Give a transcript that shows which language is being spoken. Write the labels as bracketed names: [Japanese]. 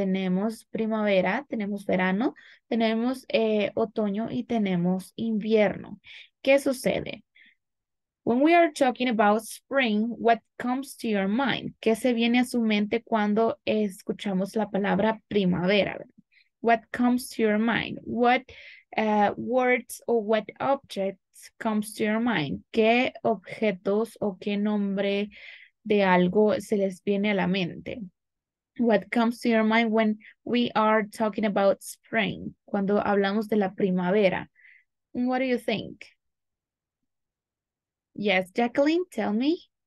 [Spanish] Tenemos primavera, tenemos verano, tenemos otoño y tenemos invierno. ¿Qué sucede? [English] When we are talking about spring, what comes to your mind? [Spanish] ¿Qué se viene a su mente cuando escuchamos la palabra primavera? [English] What comes to your mind? What words or what objects comes to your mind? [Spanish] ¿Qué objetos o qué nombre de algo se les viene a la mente. [English] What comes to your mind when we are talking about spring? [Spanish] Cuando hablamos de la primavera. [English] What do you think? Yes, Jacqueline, tell me.